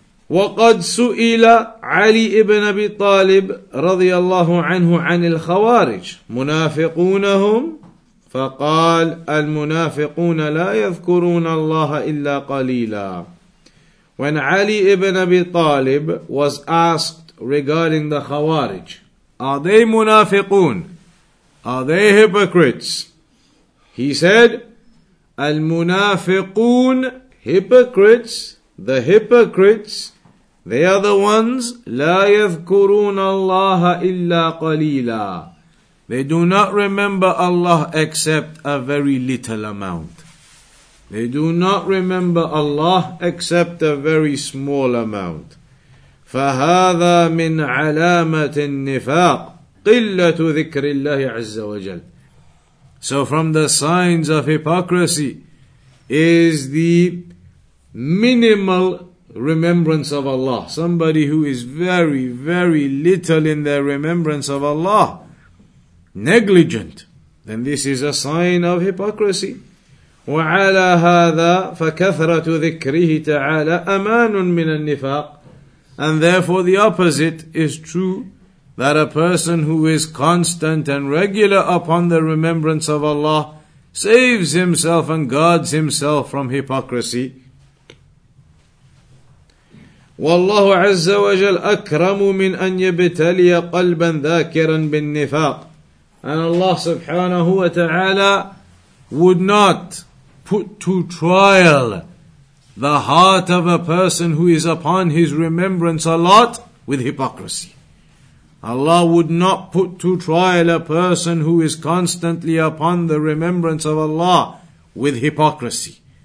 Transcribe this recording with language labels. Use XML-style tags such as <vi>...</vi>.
<ar>وَقَدْ سُئِلَ عَلِي إِبْنَ أَبِي طَالِبٍ رَضِيَ اللَّهُ عَنْهُ عَنِ الْخَوَارِجِ مُنَافِقُونَهُمْ فقال المنافقون لا يذكرون الله إلا قليلا.</ar> <en>When Ali ibn Abi Talib was asked regarding the Khawarij, are they munafiqun? Are they hypocrites? He said, المنافقون, hypocrites, the hypocrites, they are the ones,</en> <ar>لا يذكرون الله إلا قليلا,</ar> <en>they do not remember Allah except a very little amount. They do not remember Allah except a very small amount.</en> <ar>فَهَذَا مِنْ عَلَامَةِ النِّفَاقِ قِلَّةُ ذِكْرِ اللَّهِ عَزَّ وَجَلْ.</ar> <en>So from the signs of hypocrisy is the minimal remembrance of Allah. Somebody who is very, very little in their remembrance of Allah, negligent, then this is a sign of hypocrisy.</en> <ar>وعلى هذا فكثرة ذكره تعالى أمان من النفاق.</ar> <en>And therefore the opposite is true, that a person who is constant and regular upon the remembrance of Allah saves himself and guards himself from hypocrisy.</en> <ar>والله عز وجل أكرم من أن يبتلي قلبا ذاكرا بالنفاق.</ar> <en>And Allah subhanahu wa ta'ala would not put to trial the heart of a person who is upon his remembrance a lot with hypocrisy. Allah would not put to trial a person who is constantly upon the remembrance of Allah with hypocrisy.</en>